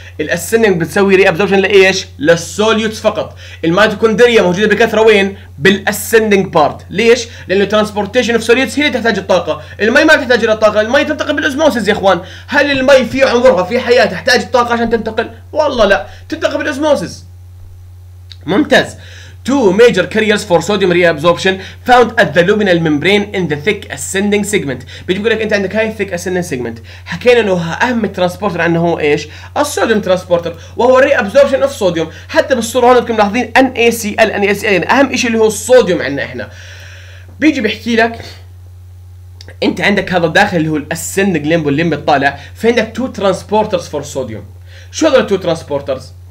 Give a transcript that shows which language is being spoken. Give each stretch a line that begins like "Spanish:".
Arabic: الاسندنج بتسوي ريابزوربشن لايش؟ للسوليوتس فقط. الميتوكوندريا موجوده بكثره وين؟ بالاسندنج بارت. ليش؟ لانه ترانسبورتيشن اوف سوليوتس هي اللي تحتاج الطاقه، المي ما بتحتاج الى طاقه، المي تنتقل بالاوزموسيس يا اخوان. هل المي في عمرها في حياه تحتاج الطاقه عشان تنتقل؟ والله لا، تنتقل بالاوزموسيس. ممتاز.
English: Two major carriers for sodium reabsorption found at the luminal membrane in the thick ascending segment.
Arabic: بيجي بيقول لك انت عندك هاي thick ascending segment، حكينا انه اهم الترانسبورتر عنه هو ايش؟ الصوديوم ترانسبورتر، وهو reabsorption of sodium. حتى بالصوره هون انتم ملاحظين NaCl، NaCl يعني اهم شيء اللي هو الصوديوم عندنا احنا. بيجي بيحكي لك انت عندك هذا الداخل اللي هو الاسندنج لمب واللمب الطالع، في عندك two transporters for sodium. شو هذول two transporters؟